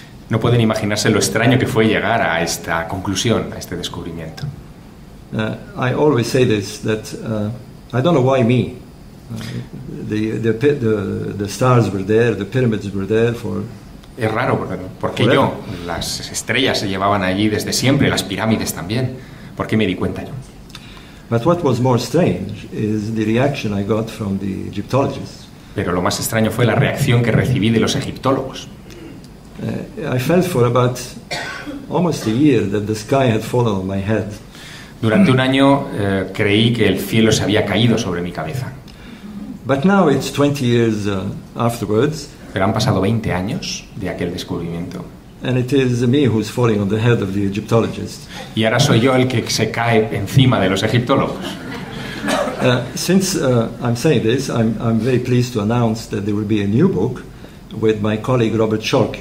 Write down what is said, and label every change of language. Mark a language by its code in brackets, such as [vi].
[es] No pueden imaginarse lo extraño que fue llegar a esta conclusión, a este descubrimiento. [en] I always say this, that I don't know why me. The stars were there, the pyramids were there for. [es] Es raro, porque yo, las estrellas se llevaban allí desde siempre, las pirámides también. ¿Por qué me di cuenta yo? [en] But what was more strange is the reaction I got from the Egyptologists. [es] Pero lo más extraño fue la reacción que recibí de los egiptólogos. [en] I felt for about almost a year that the sky had fallen on my head. [es] Durante un año creí que el cielo se había caído sobre mi cabeza. [en] But now it's 20 years afterwards. [es] Pero han pasado 20 años de aquel descubrimiento. [en] And it is me who's falling on the head of the Egyptologist. [es] Y ahora soy yo el que se cae encima de los egiptólogos. [en] Since I'm saying this, I'm very pleased to announce that there will be a new book with my colleague Robert Schork.